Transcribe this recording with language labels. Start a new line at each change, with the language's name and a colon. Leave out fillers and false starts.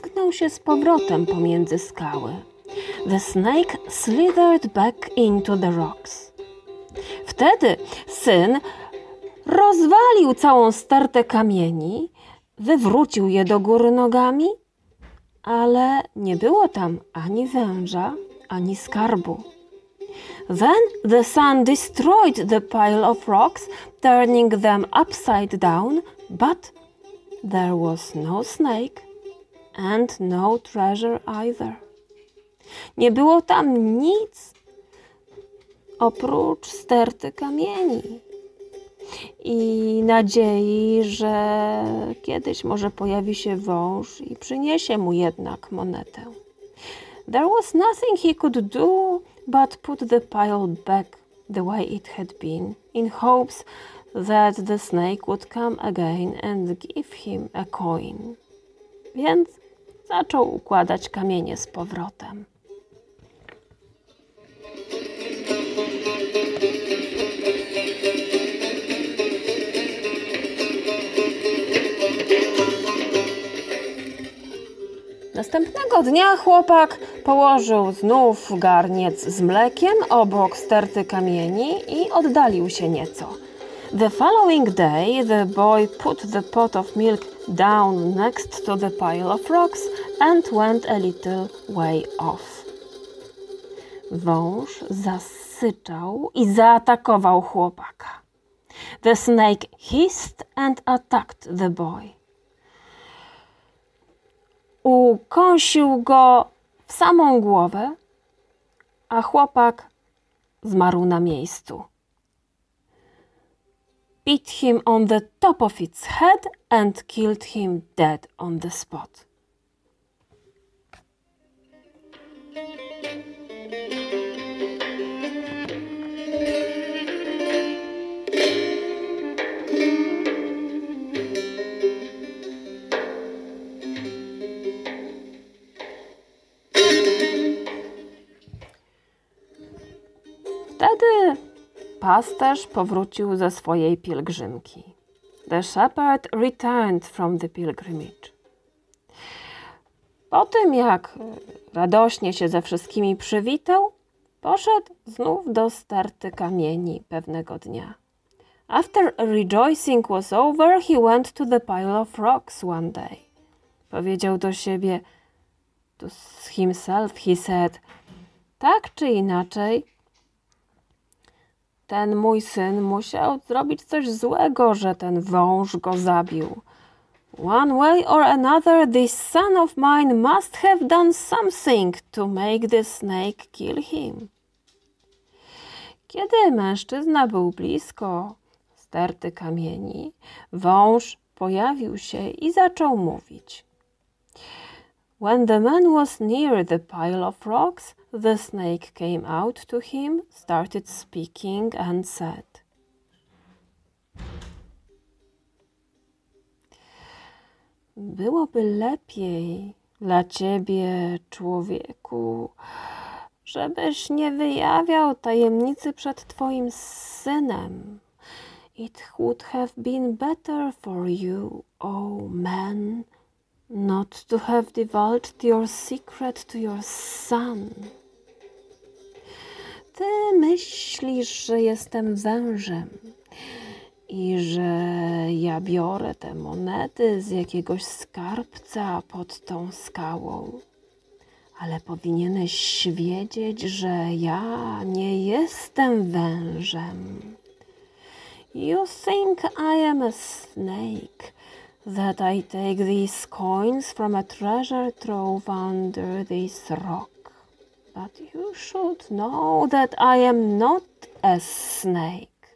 Polish: Się z powrotem pomiędzy skały.
English: The snake slithered back into the rocks.
Polish: Wtedy syn rozwalił całą stertę kamieni, wywrócił je do góry nogami, ale nie było tam ani węża, ani skarbu.
English: Then the son destroyed the pile of rocks, turning them upside down, but there was no snake. And no treasure either.
Polish: Nie było tam nic oprócz sterty kamieni i nadziei, że kiedyś może pojawi się wąż i przyniesie mu jednak monetę.
English: There was nothing he could do but put the pile back the way it had been in hopes that the snake would come again and give him a coin.
Polish: Więc zaczął układać kamienie z powrotem. Następnego dnia chłopak położył znów garniec z mlekiem obok sterty kamieni i oddalił się nieco.
English: The following day the boy put the pot of milk down next to the pile of rocks and went a little way off.
Polish: Wąż zasyczał i zaatakował chłopaka.
English: The snake hissed and attacked the boy.
Polish: Ukąsił go w samą głowę, a chłopak zmarł na miejscu.
English: Beat him on the top of its head and killed him dead on the spot.
Polish: Wtedy Pasterz powrócił ze swojej pielgrzymki.
English: The shepherd returned from the pilgrimage.
Polish: Po tym, jak radośnie się ze wszystkimi przywitał, poszedł znów do sterty kamieni pewnego dnia.
English: After rejoicing was over, he went to the pile of rocks one day.
Polish: Powiedział do siebie,
English: to himself, he said,
Polish: tak czy inaczej, ten mój syn musiał zrobić coś złego, że ten wąż go zabił.
English: One way or another, this son of mine must have done something to make the snake kill him.
Polish: Kiedy mężczyzna był blisko sterty kamieni, wąż pojawił się i zaczął mówić.
English: When the man was near the pile of rocks, the snake came out to him, started speaking and said.
Polish: Byłoby lepiej dla ciebie, człowieku, żebyś nie wyjawiał tajemnicy przed twoim synem.
English: It would have been better for you, O man, not to have divulged your secret to your son.
Polish: Ty myślisz, że jestem wężem i że ja biorę te monety z jakiegoś skarbca pod tą skałą. Ale powinieneś wiedzieć, że ja nie jestem wężem.
English: You think I am a snake, that I take these coins from a treasure trove under this rock. But you should know that I am not a snake.